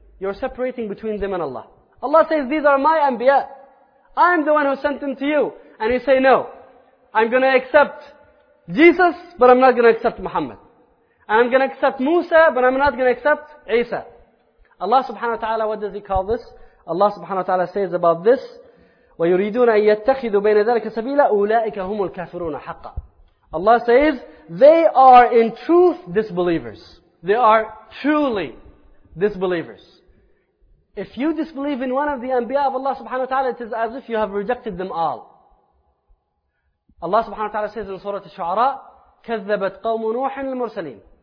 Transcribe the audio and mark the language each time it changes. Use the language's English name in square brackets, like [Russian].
[English] You're separating between them and Allah. Allah says, these are my Anbiya. I'm the one who sent them to you. And you say, no, I'm going to accept Jesus, but I'm not going to accept Muhammad. I'm going to accept Musa, but I'm not going to accept Isa. Allah subhanahu wa ta'ala, what does He call this? Allah subhanahu wa ta'ala says about this, [Arabic] وَيُرِيدُونَ أَن يَتَّخِذُوا بَيْنَ ذَلَكَ سَبِيلًا أُولَٰئِكَ هُمُ الْكَافِرُونَ حَقًّا. [English] Allah says, they are in truth disbelievers. They are truly disbelievers. If you disbelieve in one of the anbiya of Allah subhanahu wa ta'ala, it is as if you have rejected them all. Allah subhanahu wa ta'ala says in Surah Al-Shu'ara, [Arabic] كَذَّبَتْ قَوْمُ نُوحٍ لِلْمُرْسَلِينَ.